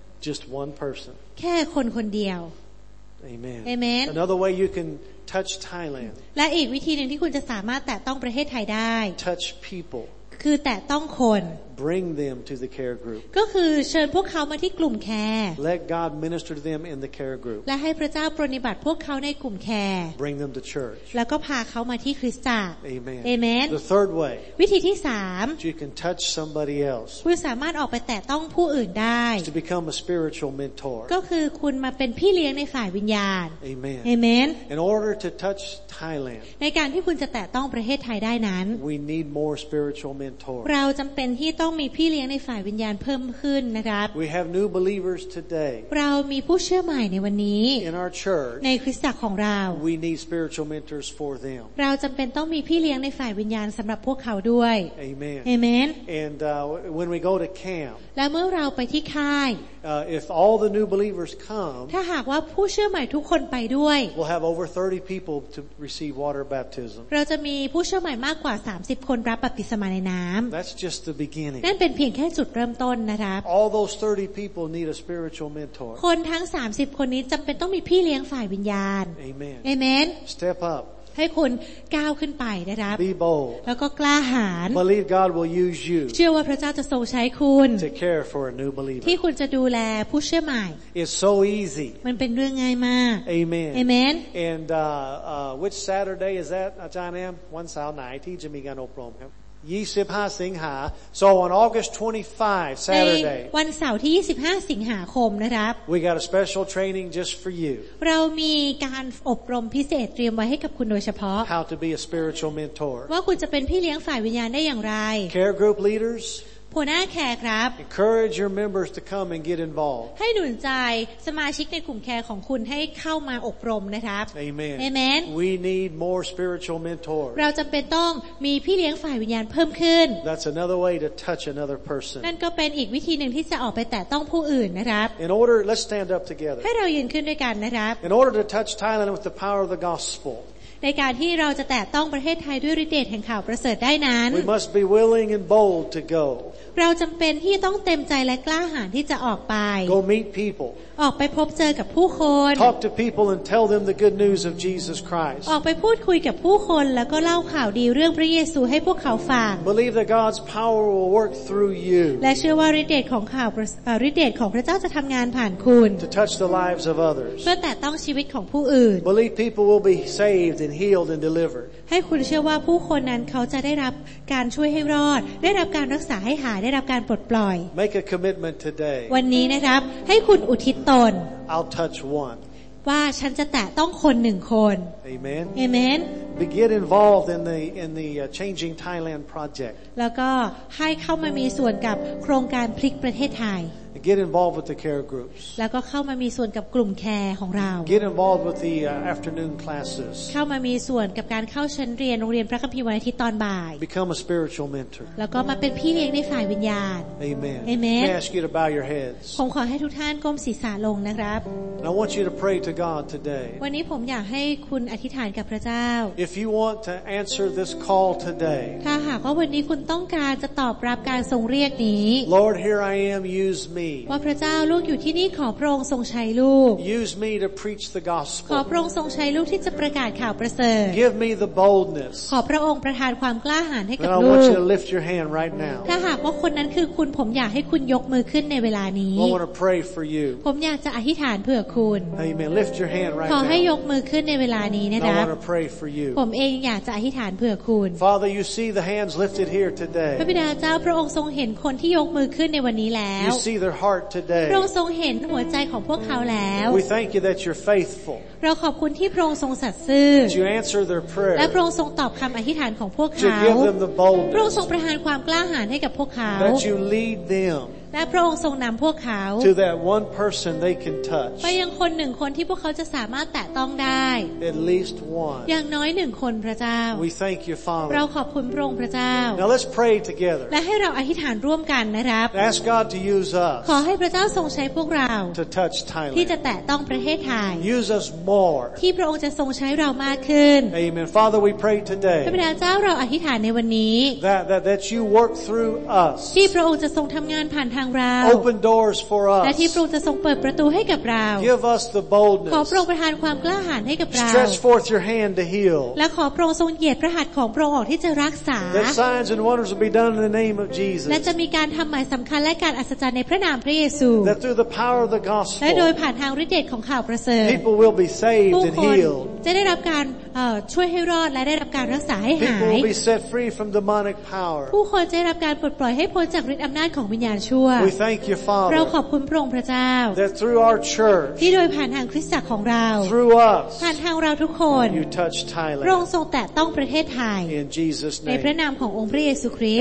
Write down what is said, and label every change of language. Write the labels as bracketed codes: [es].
[en] Just one person [th] แค่คนคนเดียว [en] Amen Amen Another way you canTouch Thailand. [th] และอีกวิธีหนึ่งที่คุณจะสามารถแตะต้องประเทศไทยได้ [en] Touch people. [th] คือแตะต้องคน [en] Bring them to the care group. [th] ก็คือเชิญพวกเขามาที่กลุ่มแคร์ [en] Let God minister to them in the care group. [th] และให้พระเจ้าปรนิบัติพวกเขาในกลุ่มแคร์ [en] Bring them to church. [th] แล้วก็พาเขามาที่คริสตจักร [en] Amen. Amen. The third way. [th] วิธีที่3 [en] You can touch somebody else. [th] คุณสามารถออกไปแตะต้องผู้อื่นได้ [en] To become a spiritual mentor. [th] ก็คือคุณมาเป็นพี่เลี้ยงในฝ่ายวิญญาณ [en] Amen. Amen. In order to touch Thailand. [th] ในการที่คุณจะแตะต้องประเทศไทยได้นั้น [en] We need more spiritual mentors. [th] เราจำเป็นที่ต้องมีพี่เลี้ยงในฝ่ายวิญญาณเพิ่มขึ้นนะครับ [en] We have new believers today. [th] เรามีผู้เชื่อใหม่ในวันนี้ [en] In our church. [th] ในคริสตจักรของเรา [en] We need spiritual mentors for them. [th] เราจำเป็นต้องมีพี่เลี้ยงในฝ่ายวิญญาณสำหรับพวกเขาด้วย [en] Amen. Amen. And when we go to camp. [th] และเมื่อเราไปที่ค่าย [en] If all the new believers come. [th] ถ้าหากว่าผู้เชื่อใหม่ทุกคนไปด้วย [en] We'll have over 30 people to receive water baptism. [th] เราจะมีผู้เชื่อใหม่มากกว่า30คนรับบัพติศมาในน้ำ [en] That's just the beginning. [th] นั่นเป็นเพียงแค่จุดเริ่มต้นนะครับ [en] All those 30 people need a spiritual mentor. [th] คนทั้ง30คนนี้จำเป็นต้องมีพี่เลี้ยงฝ่ายวิญญาณ [en] Amen. Amen. Step up. [th] ให้คุณก้าวขึ้นไปนะครับ [en] Be bold. [th] แล้วก็กล้าหาญ [en] Believe God will use you. [th] เชื่อว่าพระเจ้าจะทรงใช้คุณ [en] To care for a new believer. [th] ที่คุณจะดูแลผู้เชื่อใหม่ [en] It's so easy. [th] มันเป็นเรื่องง่ายมาก [en] Amen. Amen. And which Saturday is that, Ajahnam? [th] วันเสาร์ไหนที่จะมีการอบรมครับ25สิงหา [en] so on August 25 Saturday [th] วันเสาร์ที่25สิงหาคมนะครับ [en] we got a special training just for you [th] เรามีการอบรมพิเศษเตรียมไว้ให้กับคุณโดยเฉพาะ [en] how to be a spiritual mentor [th] ว่าคุณจะเป็นพี่เลี้ยงฝ่ายวิญญาณได้อย่างไร [en] care group leaders [th] หัวหน้าแคร์ครับ [en] Encourage your members to come and get involved [th] ให้หนุนใจสมาชิกในกลุ่มแคร์ของคุณให้เข้ามาอบรมนะครับ [en] Amen Amen We need more spiritual mentors [th] เราจำเป็นต้องมีพี่เลี้ยงฝ่ายวิญญาณเพิ่มขึ้น [en] That's another way to touch another person [th] นั่นก็เป็นอีกวิธีหนึ่งที่จะออกไปแตะต้องผู้อื่นนะครับ [en] In order let's stand up together [th] ให้เรายืนขึ้นด้วยกันนะครับ [en] In order to touch Thailand with the power of the gospel [th] ในการที่เราจะแตะต้องประเทศไทยด้วยฤทธิ์เดชแห่งข่าวประเสริฐได้นั้น [en] We must be willing and bold to go. [th] เราจำเป็นที่ต้องเต็มใจและกล้าหาญที่จะออกไป [en] Go meet people. [th] ออกไปพบเจอกับผู้คน [en] Talk to people and tell them the good news of Jesus Christ. [th] ออกไปพูดคุยกับผู้คนแล้วก็เล่าข่าวดีเรื่องพระเยซูให้พวกเขาฟัง [en] Believe that God's power will work through you. [th] และเชื่อว่าฤทธิ์เดชของข่าวฤทธิ์เดชของพระเจ้าจะทำงานผ่านคุณ [en] To touch the lives of others. [th] เพื่อแตะต้องชีวิตของผู้อื่น [en] Believe people will be savedand healed and delivered [th] ให้คุณเชื่อว่าผู้คนนั้นเขาจะได้รับการช่วยให้รอดได้รับการรักษาให้หายได้รับการปลดปล่อย [en] Make a commitment today [th] วันนี้นะครับให้คุณอุทิศตน [en] I'll touch one [th] ว่าฉันจะแตะต้องคน1คน [en] Amen Amen Begin involved in the changing Thailand project [th] แล้วก็ให้เข้ามามีส่วนกับโครงการพลิกประเทศไทย [en] get involved with the care groups [th] แล้วก็เข้ามามีส่วนกับกลุ่มแคร์ของเรา [en] get involved with the afternoon classes [th] เข้ามามีส่วนกับการเข้าชั้นเรียนโรงเรียนพระคัมภีร์วันอาทิตย์ตอนบ่าย [en] become a spiritual mentor [th] แล้วก็มาเป็นพี่เลี้ยงในฝ่ายวิญญาณ [en] amen amen I ask you to bow your heads [th] ผมขอให้ทุกท่านก้มศีรษะลงนะครับ [en] I want you to pray to God today [th] วันนี้ผมอยากให้คุณอธิษฐานกับพระเจ้า [en] if you want to answer this call today [th] ถ้าหากว่าวันนี้คุณต้องการจะตอบรับการทรงเรียกนี้ [en] Lord here I am use me [th] ว่าพระเจ้าลูกอยู่ที่นี่ขอพระองค์ทรงใช้ลูก [en] Use me to preach the gospel [th] ขอพระองค์ทรงใช้ลูกที่จะประกาศข่าวประเสริฐ [en] Give me the boldness [th] ขอพระองค์ประทานความกล้าหาญให้กับลูก [en] And I want you to lift your hand right now [th] ถ้าหากว่าคนนั้นคือคุณผมอยากให้คุณยกมือขึ้นในเวลานี้ [en] I want to pray for you [th] ผมอยากจะอธิษฐานเพื่อคุณ [en] Amen. Lift your hand right now [th] ขอให้ยกมือขึ้นในเวลานี้นะครับ [en] I want to pray for you [th] ผมเองอยากจะอธิษฐานเพื่อคุณ [en] Father you see the hands lifted here today [th] พระบิดาเจ้าพระองค์ทรงเห็นคนที่ยกมือขึ้นในวันนี้แล้ว [en] You see their heart today [th] พระองค์ทรงเห็นหัวใจของพวกเขาแล้ว [en] We thank you that you're faithful [th] เราขอบคุณที่พระองค์ทรงสัตย์ซื่อ [en] That you answer their prayer [th] และพระองค์ทรงตอบคำอธิษฐานของพวกเขา [en] To give them the boldness [th] พระองค์ทรงประทานความกล้าหาญให้กับพวกเขา [en] That you lead them [th] และพระองค์ทรงนำพวกเขา [en] to that one person they can touch [th] ไปยังคนหนึ่งคนที่พวกเขาจะสามารถแตะต้องได้ [en] at least one [th] อย่างน้อยหนึ่งคนพระเจ้า [en] we thank you Father [th] เราขอบคุณพระองค์พระเจ้า [en] now let's pray together [th] และให้เราอธิษฐานร่วมกันนะครับ [en] ask God to use us [th] ขอให้พระเจ้าทรงใช้พวกเรา [en] to touch Thailand [th] ที่จะแตะต้องประเทศไทย [en] use us more [th] ที่พระองค์จะทรงใช้เรามากขึ้น [en] Amen Father we pray today [th] พระบิดาเจ้าเราอธิษฐานในวันนี้ [en] that you work through us [th] ที่พระองค์จะทรงทำงานผ่าน [en] Open doors for us. [th] และที่พระองค์จะทรงเปิดประตูให้กับเรา [en] Give us the boldness. [th] ขอพระองค์ประทานความกล้าหาญให้กับเรา [en] Stretch forth your hand to heal. [th] และขอพระองค์ทรงเหยียดพระหัตถ์ของพระองค์ออกที่จะรักษา [en] That signs and wonders will be done in the name of Jesus. [th] และจะมีการทำหมายสำคัญและการอัศจรรย์ในพระนามพระเยซู [en] That through the power of the gospel. [th] และโดยผ่านทางฤทธิ์เดชของข่าวประเสริฐ [en] People will be saved and healed. [th] ผู้คนจะได้รับการช่วยให้รอดและได้รับการรักษาให้หาย [en] People will be set free from demonic power. [th] ผู้คนจะได้รับการปลดปล่อยให้พ้นจากฤทธิ์อำนาจของวิญญาณชั่ว [en] We thank you, Father. [th] เราขอบคุณพระองค์พระเจ้า [en] That through our church, [th] ที่โดยผ่านทางคริสตจักรของเรา [en] Through us, [th] ผ่านทางเราทุกคน [en] You touch Thailand. [th] พระองค์ทรงแตะต้องประเทศไทย [en] In Jesus' name. [th] ในพระนามขององค์พระเยซูคริสต